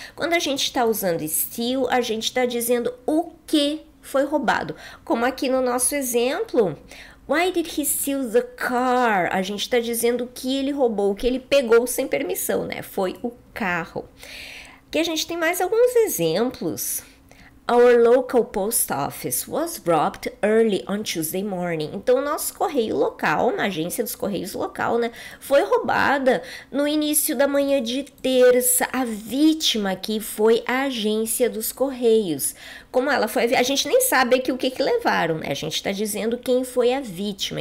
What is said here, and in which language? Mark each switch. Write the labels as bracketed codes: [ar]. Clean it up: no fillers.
[pt] Quando a gente está usando steal, a gente está dizendo o que foi roubado. Como aqui no nosso exemplo, [en] why did he steal the car? [pt] A gente está dizendo o que ele roubou, o que ele pegou sem permissão, né? Foi o carro. Aqui a gente tem mais alguns exemplos. [en] Our local post office was robbed early on Tuesday morning. [pt] Então, nosso correio local, na agência dos correios local, né, foi roubada no início da manhã de terça. A vítima aqui foi a agência dos correios. Como ela foi... A gente nem sabe aqui o que levaram, né? A gente tá dizendo quem foi a vítima.